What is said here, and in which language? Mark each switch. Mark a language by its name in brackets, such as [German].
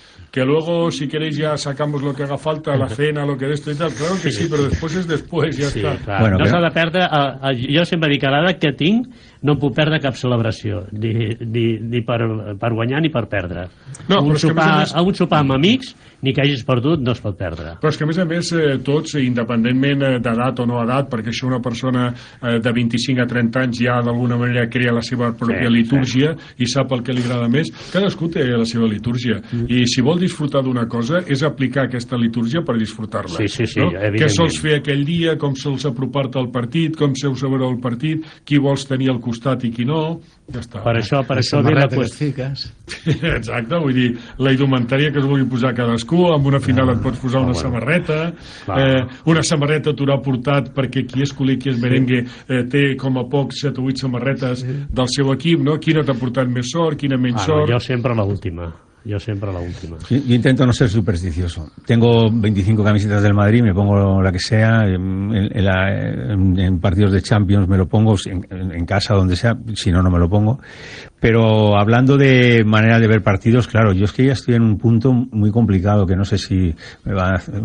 [Spanish] Que luego, si queréis, ya sacamos lo que haga falta, la cena, lo que de esto y tal. Claro que sí, pero después es después, ya sí, está. [Catalan] Bueno, no s'ha de perdre... Jo sempre dic que l'edat que tinc no puc perdre cap celebració, ni per guanyar ni per perdre. No, un sopar, a més... un sopar amb amics, ni que hagis perdut, no es pot perdre. Però és que, a més, tots, independentment d'edat o no edat, perquè això una persona de 25 a 30 anys ja, d'alguna manera, crea la seva pròpia litúrgia i sap el que li agrada més, cadascú té la seva litúrgia. I si vol disfrutar d'una cosa, és aplicar aquesta litúrgia per disfrutar-la. Sí, sí, sí, no? Què sols fer aquell dia, com sols apropar-te al partit, com sols veure el partit, qui vols tenir al costat i qui no... Ja està. Per això ve la qüestió. Exacte, vull dir, la indumentària que es vulgui posar cadascú, amb una final et pots posar una samarreta, una samarreta t'haurà portat perquè qui és culer, qui és merengue, té com a poc 7 o 8 samarretes del seu equip, no? Quina t'ha portat més sort, quina menys sort? Jo sempre l'última. [Spanish] Yo siempre la última. Yo intento no ser supersticioso. Tengo 25 camisetas del Madrid, me pongo la que sea, en partidos de Champions me lo pongo, en casa, donde sea, si no, no me lo pongo. Pero hablando de manera de ver partidos, claro, yo es que ya estoy en un punto muy complicado, que no sé si me va a...